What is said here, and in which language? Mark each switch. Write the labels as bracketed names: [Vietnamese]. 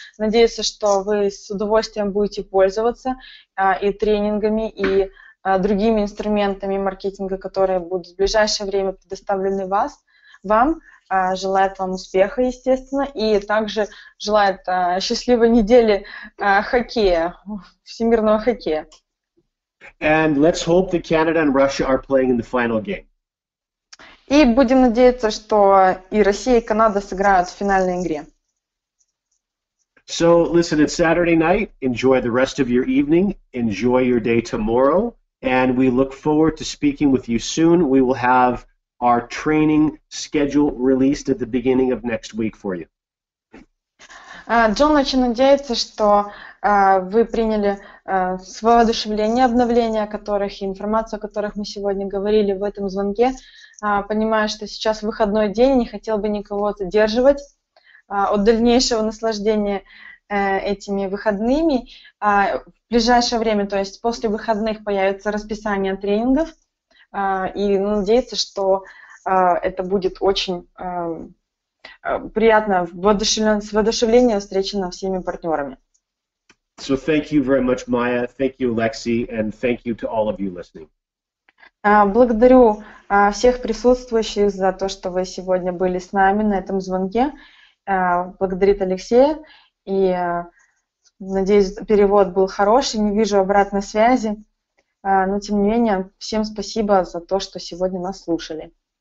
[Russian] Надеюсь, что вы с удовольствием будете пользоваться и тренингами, и другими инструментами маркетинга, которые будут в ближайшее время предоставлены вам. Желает вам успеха, естественно, и также желает счастливой недели хоккея, всемирного хоккея. [English] And let's hope that Canada and Russia are playing in the final game. [Russian] И будем надеяться, что и Россия, и Канада сыграют в финальной игре. [English] So, listen, it's Saturday night. Enjoy the rest of your evening. Enjoy your day tomorrow. And we look forward to speaking with you soon. We will have our training schedule released at the beginning of next week for you. [Russian] Джон очень надеется, что вы приняли с воодушевлением обновления, о которых и информацию, о которых мы сегодня говорили в этом звонке. Понимаю, что сейчас выходной день, не хотел бы никого задерживать от дальнейшего наслаждения этими выходными. В ближайшее время, то есть после выходных, появится расписание тренингов, и надеяться, что это будет очень приятно, с воодушевлением встречено всеми партнерами. [English] So thank you very much, Maya. Thank you, Lexi, and thank you to all of you listening. [Russian] Благодарю всех присутствующих за то, что вы сегодня были с нами на этом звонке. Благодарит Алексея. И надеюсь, перевод был хороший. Не вижу обратной связи. Но тем не менее, всем спасибо за то, что сегодня нас слушали.